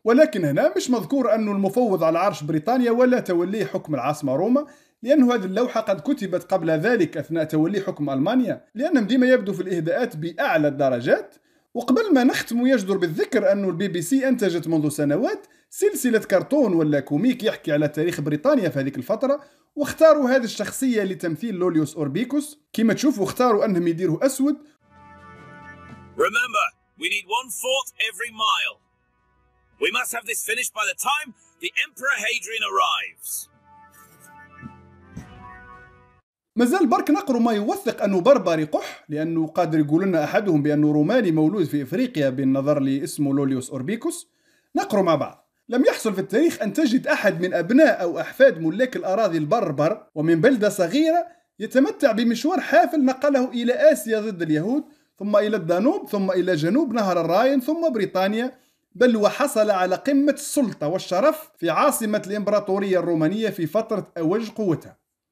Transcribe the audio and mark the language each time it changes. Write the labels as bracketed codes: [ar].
[ar] ولكن هنا مش مذكور أنه المفوض على عرش بريطانيا ولا تولي حكم العاصمة روما، لأنه هذه اللوحة قد كتبت قبل ذلك أثناء تولي حكم ألمانيا، لأنهم ديما يبدو في الإهداءات بأعلى الدرجات. وقبل ما نختم يجدر بالذكر أنه البي بي سي أنتجت منذ سنوات سلسلة كرتون ولا كوميك يحكي على تاريخ بريطانيا في هذه الفترة، واختاروا هذه الشخصية لتمثيل لوليوس أوربيكوس. كما تشوفوا اختاروا أنهم يديروا أسود. [en] Remember, we need one fourth every mile. We must have this finished by the time the Emperor Hadrian arrives. [ar] مازال برك نقرأ ما يوثق أنه بربري قح، لأنه قادر يقول لنا أحدهم بأنه روماني مولود في إفريقيا بالنظر لاسمه لوليوس أوربيكوس. نقرأ مع بعض: لم يحصل في التاريخ أن تجد أحد من أبناء أو أحفاد ملاك الأراضي البربر ومن بلدة صغيرة يتمتع بمشوار حافل نقله إلى آسيا ضد اليهود، ثم إلى الدانوب، ثم إلى جنوب نهر الراين، ثم بريطانيا، بل وحصل على قمة السلطة والشرف في عاصمة الإمبراطورية الرومانية في فترة أوج قوتها.